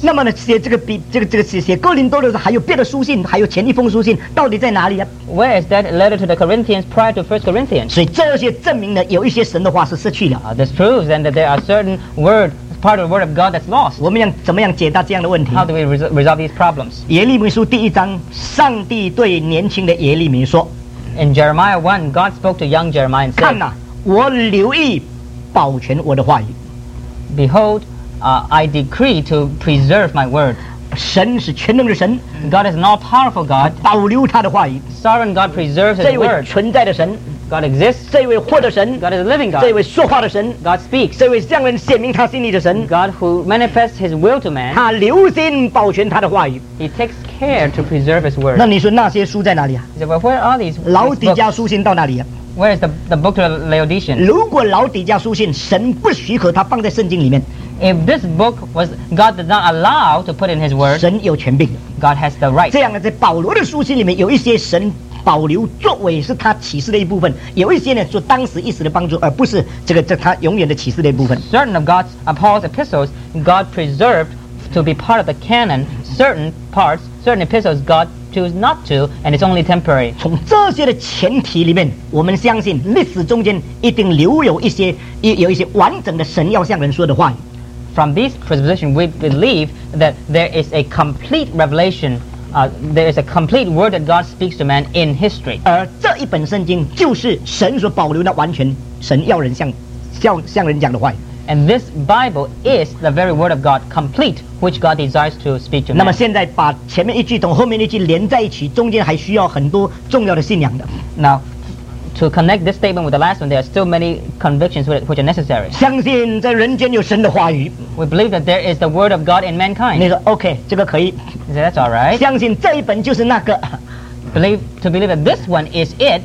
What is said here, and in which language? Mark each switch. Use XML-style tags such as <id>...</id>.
<zh>那么呢，写这个笔，这个这个写写哥林多的时候，还有别的书信，还有前一封书信，到底在哪里呀？</zh> <en>Where is that letter to the Corinthians prior to 1 Corinthians?</en> <zh>所以这些证明呢，有一些神的话是失去了。</zh> <en>This proves then that there are certain word part of the word of God that's lost.</en> <zh>我们要怎么样解答这样的问题？</zh> <en>How do we resolve these problems?</en> <zh>耶利米书第一章，上帝对年轻的耶利米说</zh> <en>，In Jeremiah 1, God spoke to young Jeremiah and said,</en> <zh>看呐，我留意保全我的话语。</zh> <en>Behold. I decree to preserve my word.</en> <zh>神是全能的神。</zh> <en>God is an all-powerful God.</en> <zh>保留他的话语。</zh> <en>Sovereign God preserves his word.</en> <zh>这位存在的神。</zh> <en>God exists.</en> <zh>这位活的神。</zh> <en>God is a living God.</en> <zh>这位说话的神。</zh> <en>God speaks.</en> <zh>这位向人显明他心意的神。</zh> <en>God who manifests his will to man.</en> <zh>他留心保全他的话语。</zh> <en>He takes care to preserve his word.</en> <zh>那你说那些书在哪里啊？</zh> <en>He said, well, where are these books?</en> <zh>老底家书信到哪里啊？</zh> <en>Where is the book to the Laodicean?</en> <zh>如果老底家书信神不许可他放在圣经里面，</zh> <en>If this book was God did not allow to put in his word,</en> <zh>神有权柄，</zh> <en>God has the right.</en> <zh>这样在保罗的书信里面有一些神保留作为是他启示的一部分，有一些呢说当时一时的帮助，而不是这个这他永远的启示的一部分。</zh> <en>Certain of God's Paul's epistles God preserved to be part of the canon, certain parts, certain epistles God choose not to, and it's only temporary.</en> <zh>从这些的前提里面，我们相信历史中间一定留有一些有一些完整的神要向人说的话。</zh> <en>From this presupposition, we believe that there is a complete revelation, there is a complete word that God speaks to man in history.</en> <zh>而这一本圣经就是神所保留的完全神要人向人讲的话。</zh> <en>And this Bible is the very word of God, complete, which God desires to speak to man.</en> <zh>那么现在把前面一句同后面一句连在一起，中间还需要很多重要的信仰的。</zh> <en>Now,To connect this statement with the last one, there are still many convictions which are necessary.</en> <zh>相信在人间有神的话语。</zh> <en>We believe that there is the word of God in mankind.</en> <zh>你说 OK, 这个可以。</zh> <en>You say, that's all right.</en> <zh>相信这一本就是那个。</zh> <en>To believe that this one is it.</en>